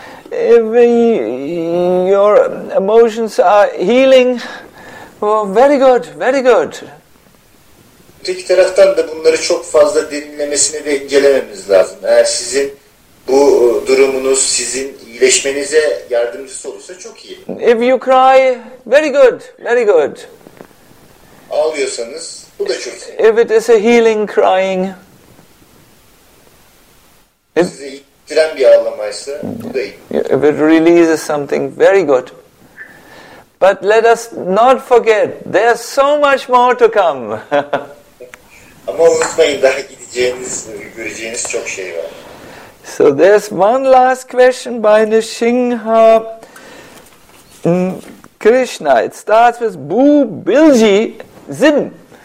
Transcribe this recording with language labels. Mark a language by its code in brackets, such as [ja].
[en] If your emotions are healing, well, very good, very good. [tr] Öteki taraftan da bunları çok fazla derinlemesine de incelememiz lazım. Eğer sizin bu durumunuz sizin iyileşmenize yardımcısı olursa çok iyi. [en] If you cry, very good, very good. [tr] Ağlıyorsanız bu da çok iyi. [en] If it is a healing crying. [tr] Sizi ittiren bir ağlamaysa bu da iyi. [en] If it releases something, very good. But let us not forget, there is so much more to come. [tr] Ama unutmayın, daha gideceğiniz, göreceğiniz çok şey var. [en] So there's one last question by Nishinha Krishna. It starts with [tr] Bu Bilji Zim.